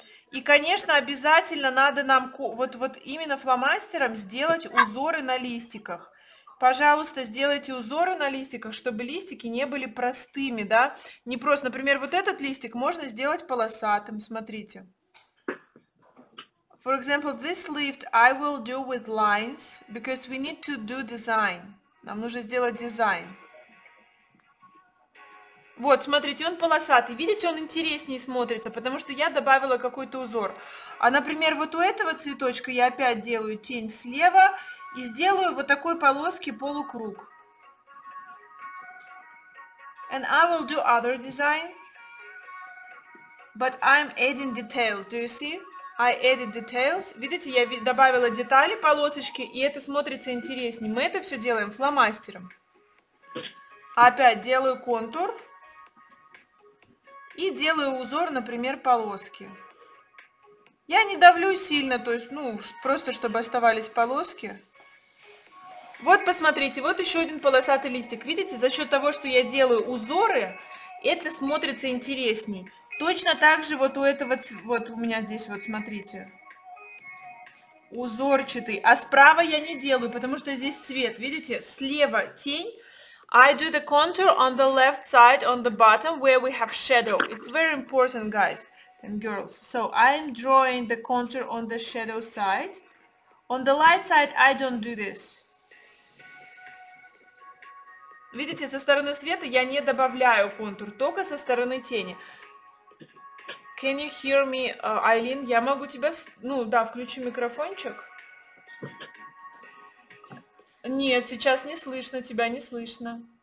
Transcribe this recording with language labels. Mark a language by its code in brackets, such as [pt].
[ru] И, конечно, обязательно надо нам вот именно фломастером сделать узоры на листиках. Пожалуйста, сделайте узоры на листиках, чтобы листики не были простыми, да? Не просто, например, вот этот листик можно сделать полосатым, смотрите. [en] For example, this leaf I will do with lines, because we need to do design. [ru] Нам нужно сделать дизайн. Вот, смотрите, он полосатый. Видите, он интереснее смотрится, потому что я добавила какой-то узор. А, например, вот у этого цветочка я опять делаю тень слева и сделаю вот такой полоски полукруг. [en] And I will do other design, but I'm adding details. Do you see? I added details. [ru] Видите, я добавила детали, полосочки, и это смотрится интереснее. Мы это все делаем фломастером. Опять делаю контур. И делаю узор, например, полоски. Я не давлю сильно, то есть, ну, просто чтобы оставались полоски. Вот, посмотрите, вот еще один полосатый листик. Видите, за счет того, что я делаю узоры, это смотрится интересней. Точно так же вот у этого, вот у меня здесь, вот смотрите, узорчатый. А справа я не делаю, потому что здесь цвет, видите, слева тень. [en] I do the contour on the left side, on the bottom, where we have shadow. It's very important, guys and girls. So, I'm drawing the contour on the shadow side. On the light side, I don't do this. [ru] Видите, со стороны света я не добавляю контур, только со стороны тени. [en] Can you hear me, Айлин? [ru] Я могу тебя... Ну, да, включи микрофончик. Нет, сейчас не слышно, тебя не слышно.